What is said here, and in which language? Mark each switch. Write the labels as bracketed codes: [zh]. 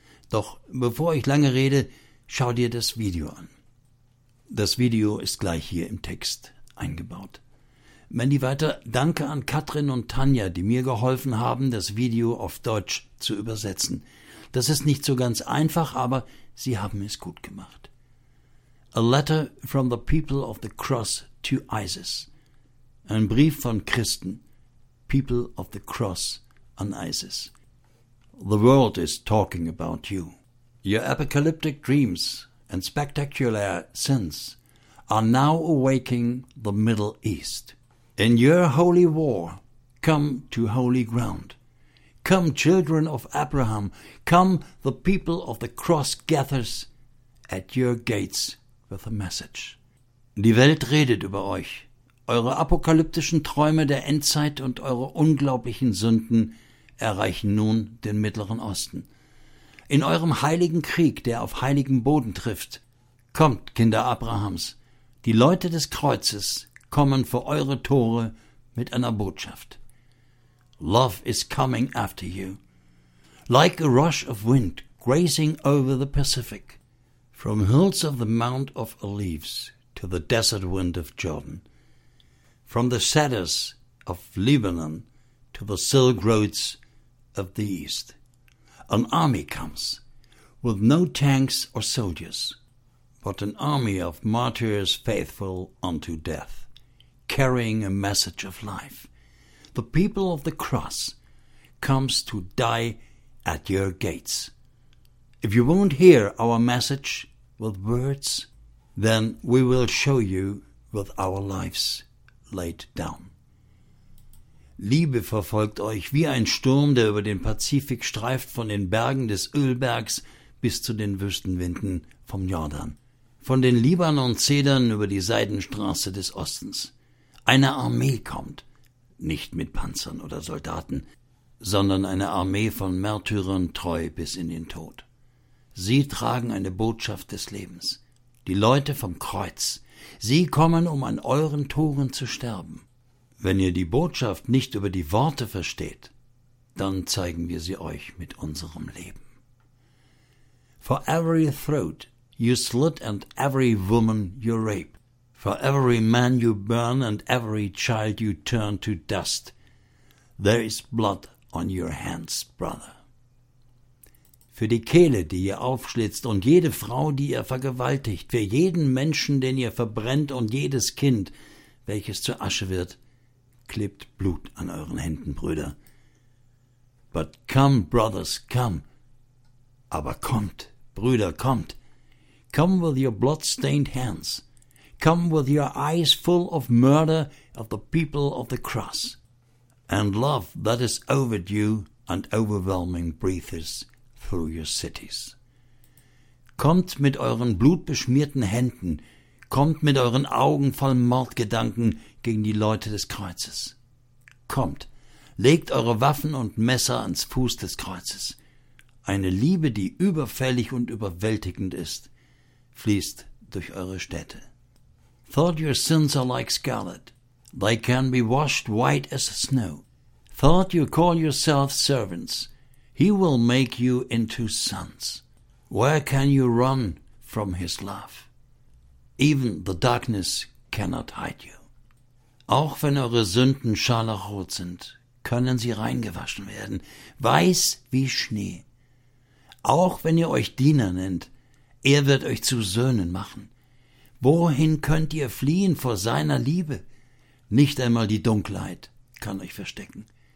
[de] Doch bevor ich lange rede, schau dir das Video an. Das Video ist gleich hier im Text eingebaut. Mandy weiter: Danke an Katrin und Tanja, die mir geholfen haben, das Video auf Deutsch zu übersetzen. Das ist nicht so ganz einfach, aber sie haben es gut gemacht. [en] A letter from the people of the cross to ISIS. [de] Ein Brief von Christen. [en] People of the cross [de] an ISIS. [en] The world is talking about you. Your apocalyptic dreams and spectacular sins are now awaking the Middle East. In your holy war, come to holy ground. Come, children of Abraham, come, the people of the cross gathers at your gates with a message. [de] Die Welt redet über euch. Eure apokalyptischen Träume der Endzeit und eure unglaublichen Sünden erreichen nun den Mittleren Osten. In eurem heiligen Krieg, der auf heiligen Boden trifft, kommt, Kinder Abrahams, die Leute des Kreuzes kommen vor eure Tore mit einer Botschaft. [en] Love is coming after you. Like a rush of wind grazing over the Pacific. From hills of the Mount of Olives to the desert wind of Jordan. From the cedars of Lebanon to the silk roads of the East. An army comes with no tanks or soldiers, but an army of martyrs faithful unto death, carrying a message of life. The people of the cross comes to die at your gates. If you won't hear our message with words, then we will show you with our lives laid down. [de] Liebe verfolgt euch wie ein Sturm, der über den Pazifik streift, von den Bergen des Ölbergs bis zu den Wüstenwinden vom Jordan, von den Libanon-Zedern über die Seidenstraße des Ostens. Eine Armee kommt, nicht mit Panzern oder Soldaten, sondern eine Armee von Märtyrern treu bis in den Tod. Sie tragen eine Botschaft des Lebens. Die Leute vom Kreuz, sie kommen, um an euren Toren zu sterben. Wenn ihr die Botschaft nicht über die Worte versteht, dann zeigen wir sie euch mit unserem Leben. [en] For every throat you slit and every woman you rape, for every man you burn and every child you turn to dust, there is blood on your hands, brother. [de] Für die Kehle, die ihr aufschlitzt, und jede Frau, die ihr vergewaltigt, für jeden Menschen, den ihr verbrennt, und jedes Kind, welches zur Asche wird, klebt Blut an euren Händen, Brüder. [en] But come, brothers, come. [de] Aber kommt, Brüder, kommt. [en] Come with your blood-stained hands. Come with your eyes full of murder of the people of the cross. and love that is overdue and overwhelming breathes through your cities. [de] Kommt mit euren blutbeschmierten Händen, kommt mit euren Augen voll Mordgedanken gegen die Leute des Kreuzes. Kommt, legt eure Waffen und Messer ans Fuß des Kreuzes. Eine Liebe, die überfällig und überwältigend ist, fließt durch eure Städte. [en] Thought your sins are like scarlet, they can be washed white as snow. Thought you call yourself servants, he will make you into sons. Where can you run from his love? Even the darkness cannot hide you. [de] Auch wenn eure Sünden scharlachrot sind, können sie reingewaschen werden, weiß wie Schnee. Auch wenn ihr euch Diener nennt, er wird euch zu Söhnen machen. Wohin könnt ihr fliehen vor seiner Liebe? Nicht einmal die Dunkelheit kann euch verstecken.